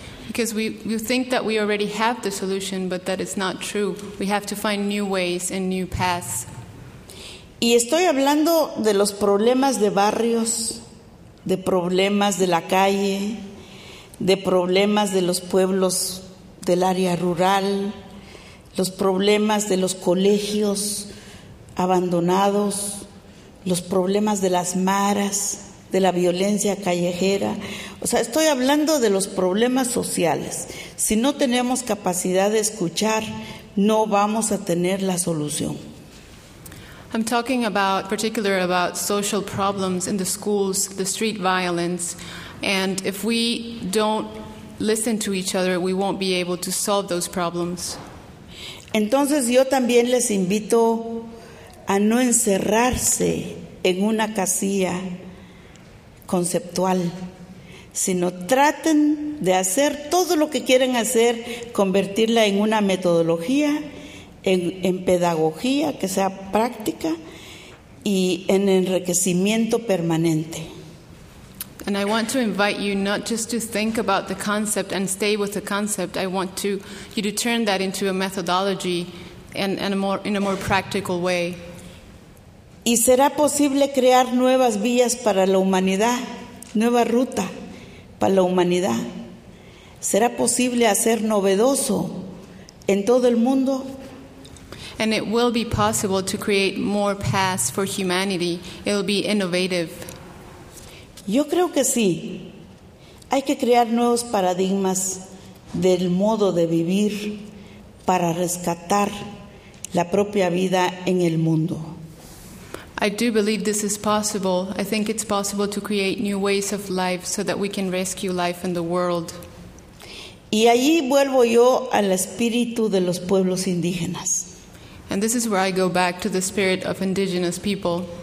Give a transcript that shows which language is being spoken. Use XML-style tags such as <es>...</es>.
<en>Because we think that we already have the solution, but that is not true. We have to find new ways and new paths.</en> <es>Y estoy hablando de los problemas de barrios, de problemas de la calle, de problemas de los pueblos del área rural, los problemas de los colegios abandonados, los problemas de las maras, de la violencia callejera. O sea, estoy hablando de los problemas sociales. Si no tenemos capacidad de escuchar, no vamos a tener la solución.</es> <en>I'm talking about particular about social problems in the schools, the street violence, and if we don't listen to each other, we won't be able to solve those problems.</en> <es>Entonces yo también les invito a no encerrarse en una casilla conceptual, sino traten de hacer todo lo que quieren hacer, convertirla en una metodología, en pedagogía que sea práctica y en enriquecimiento permanente.</es> <en>And I want to invite you not just to think about the concept and stay with the concept. I want to you to turn that into a methodology and a more in a more practical way.</en> <es>Y será posible crear nuevas vías para la humanidad, nueva ruta para la humanidad. Será posible hacer novedoso en todo el mundo.</es> <en>And it will be possible to create more paths for humanity. It will be innovative.</en> <es>Yo creo que sí. Hay que crear nuevos paradigmas del modo de vivir para rescatar la propia vida en el mundo.</es> <en>I do believe this is possible. I think it's possible to create new ways of life so that we can rescue life in the world.</en> <es>Y allí vuelvo yo al espíritu de los pueblos indígenas.</es> <en>And this is where I go back to the spirit of indigenous people.</en>